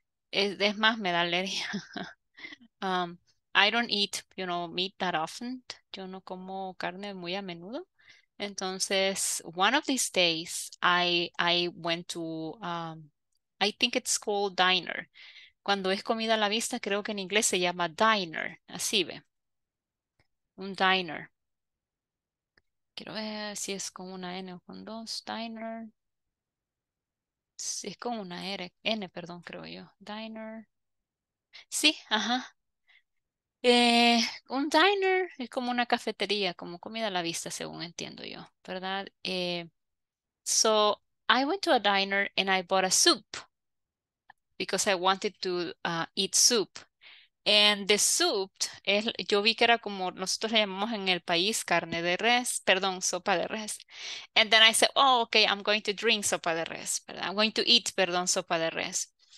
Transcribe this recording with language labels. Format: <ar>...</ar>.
<es>Es más, me da alergia.</es> <en>I don't eat, you know, meat that often.</en> <es>Yo no como carne muy a menudo. Entonces,</es> <en>one of these days, I went to, I think it's called diner.</en> <es>Cuando es comida a la vista, creo que en inglés se llama diner. Así ve. Un diner. Quiero ver si es con una N o con dos. Diner. Sí, es como una R, N, perdón, creo yo. Diner. Sí, ajá. Un diner es como una cafetería, como comida a la vista, según entiendo yo, ¿verdad?</es> <en>So, I went to a diner and I bought a soup because I wanted to eat soup. And the soup,</en> <es>yo vi que era como nosotros le llamamos en el país carne de res, perdón, sopa de res.</es> <en>And then I said, oh, okay, I'm going to drink</en> <es>sopa de res, ¿verdad?</es> <en>I'm going to eat,</en> <es>perdón, sopa de res.</es>